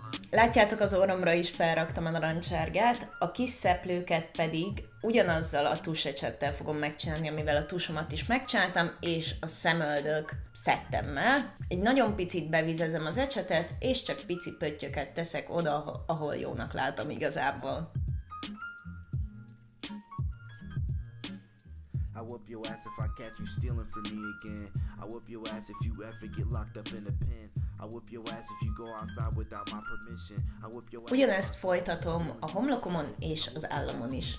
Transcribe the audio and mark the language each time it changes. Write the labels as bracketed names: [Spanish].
[Hungarian] Látjátok, az orromra is felraktam a narancssárgát, a kis szeplőket pedig ugyanazzal a tusecsettel fogom megcsinálni, amivel a tusomat is megcsináltam, és a szemöldök szettemmel. Egy nagyon picit bevizezem az ecsetet, és csak pici pöttyöket teszek oda, ahol jónak látom igazából. [English] I whoop your ass if I catch you stealing from me again. I whoop your ass if you ever get locked up in a pen. I whoop your ass if you go outside without my permission. I whoop your ass. [Hungarian] Ugyanezt folytatom a homlokomon és az államon is.